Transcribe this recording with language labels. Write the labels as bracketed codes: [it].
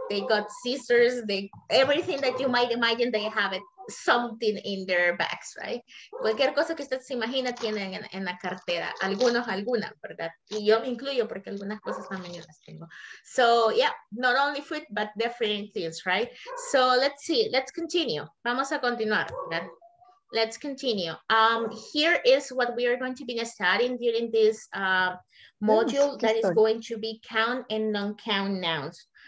[en] They got scissors, everything that you might imagine, they have it something in their bags, right? [es] Cualquier cosa que usted se imagina tienen en la cartera. Algunos, alguna, ¿verdad? Y yo me incluyo porque algunas cosas también yo las tengo. [en] So, yeah, not only food, but different things, right? So, let's see. Let's continue. [es] Vamos a continuar, ¿verdad? [en] Let's continue. Here is what we are going to be studying during this module that is going to be count and non-count nouns.